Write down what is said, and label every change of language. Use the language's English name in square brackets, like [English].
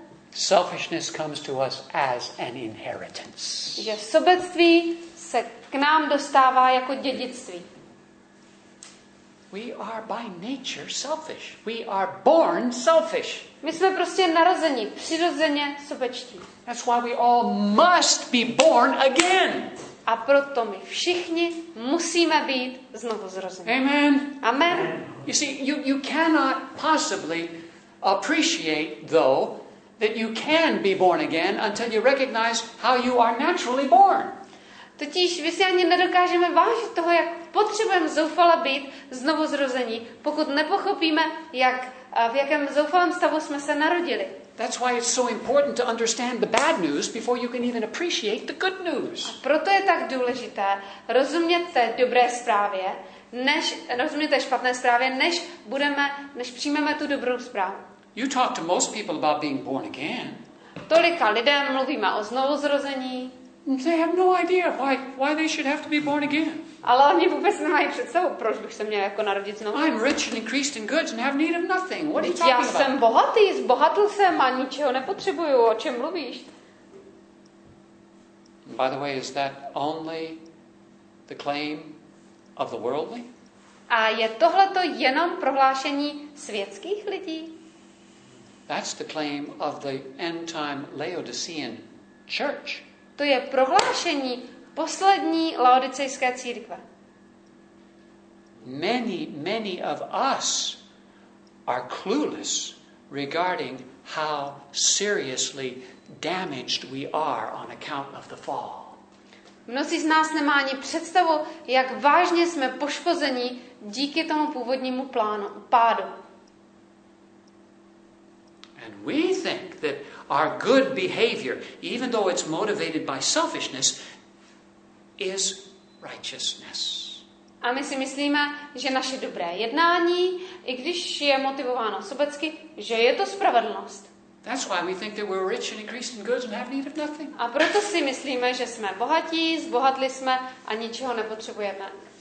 [English] Selfishness comes to us as an inheritance. [Czech] Že sobectví se k nám dostává jako dědictví. [English] We are by nature selfish. We are born selfish. [Czech] My jsme prostě narozeni přirozeně sobečtí. [English] That's why we all must be born again. [Czech] A proto my všichni musíme být znovu zrozeni. [English] Amen. [Czech] Amen. [English] You see, you cannot possibly appreciate though that you can be born again until you recognize how you are naturally born. [Czech] Totiž my si ani nedokážeme vážit toho, jak potřebujeme zoufale být znovu zrození, pokud nepochopíme, v jakém zoufalém stavu jsme se narodili. [English] That's why it's so important to understand the bad news before you can even appreciate the good news. [Czech] A proto je tak důležité rozumět té dobré zprávě, než rozumět té špatné zprávě, než přijmeme tu dobrou zprávu. [English] You talk to most people about being born again. [Czech] Tolika lidem mluvíme o znovu zrození. [English] They have no idea why they should have to be born again. [Czech] Ale oni vůbec nemají představu, proč bych se měl jako narodit znovu. [English] I'm rich and increased in goods and have need of nothing. What are you talking about? [Czech] Já jsem bohatý, zbohatl jsem a ničeho nepotřebuju. O čem mluvíš? [English] By the way, is that only the claim of the worldly? [Czech] A je tohleto jenom prohlášení světských lidí? [English] That's the claim of the end-time Laodicean church. [Czech] To je prohlášení poslední laodicejské církve. [English] Many, many of us are clueless regarding how seriously damaged we are on account of the fall. [Czech] Mnozí z nás nemá ani představu, jak vážně jsme poškození díky tomu původnímu plánu, pádu. [English] And we think that our good behavior, even though it's motivated by selfishness, is righteousness. [Czech] A my si myslíme, že naše dobré jednání, i když je motivováno sobecky, že je to spravedlnost. [English] That's why we think that we're rich and increased in goods and have need of nothing. [Czech] A proto si myslíme, že jsme bohatí, zbohatli jsme a ničeho nepotřebujeme.